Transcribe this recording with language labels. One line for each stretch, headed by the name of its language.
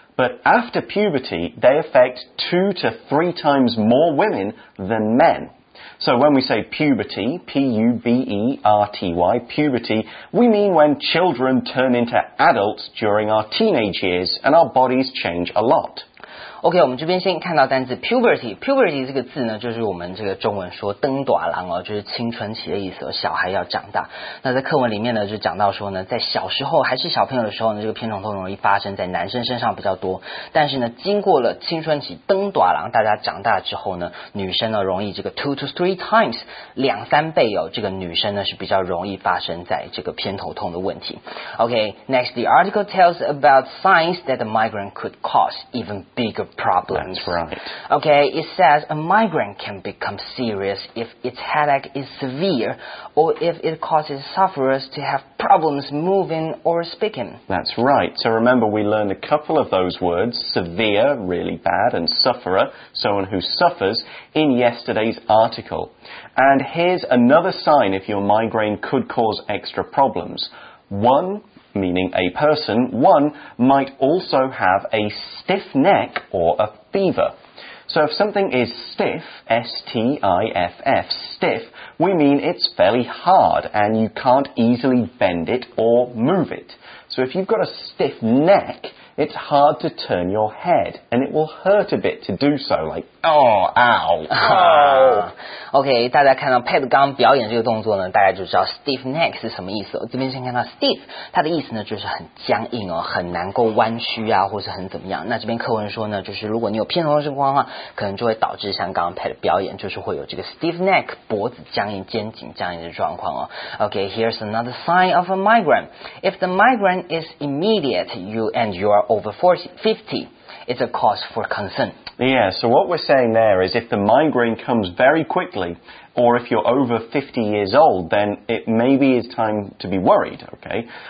English: But after puberty, they affect 2 to 3 times more women than men. So when we say puberty, P-U-B-E-R-T-Y, puberty, we mean when children turn into adults during our teenage years and our bodies change a lot.
Chinese: OK, 我们这边先看到单字 puberty. Puberty 这个字呢就是我们这个中文说登短郎哦就是青春期的意思小孩要长大。那在课文里面呢就讲到说呢在小时候还是小朋友的时候呢这个偏头痛容易发生在男生身上比较多。但是呢经过了青春期登短郎大家长大之后呢女生呢容易这个
English: 2 to 3 times,
Chinese: 2-3倍哦这个女生呢是比较容易发生在这个偏头痛的问题。
English: OK, next, the article tells about signs that the migraine could cause even bigger problems. That's right. Okay, it says a migraine can become serious if its headache is severe or if it causes sufferers to have problems moving or speaking. That's right. So remember we learned a couple of those words, severe, really bad, and sufferer, someone who suffers, in yesterday's article. And here's another sign if your migraine could cause extra problems. One,meaning a person, one might also have a stiff neck or a fever. So if something is stiff, S-T-I-F-F, stiff, we mean it's fairly hard and you can't easily bend it or move it. So So if you've got a stiff neck, it's hard to turn your head, and it will hurt a bit to do so, like, oh, ow, oh.
Chinese: OK, 大家看到 Pat 刚刚表演这个动作呢，大家就知道 stiff neck 是什么意思。这边先看到 stiff, 它的意思呢就是很僵硬哦，很难够弯曲啊，或是很怎么样。那这边课文说呢，就是如果你有偏头痛情况的话，可能就会导致像刚刚 Pat 表演，就是会有这个 stiff neck, 脖子僵硬、肩颈僵硬的状况哦。
English: OK, here's another sign of a migraine. If the migraine is immediate, you and you are over 50, it's a cause for concern. Yeah, so what we're saying there is if the migraine comes very quickly, or if you're over 50 years old, then it maybe is time to be worried, okay?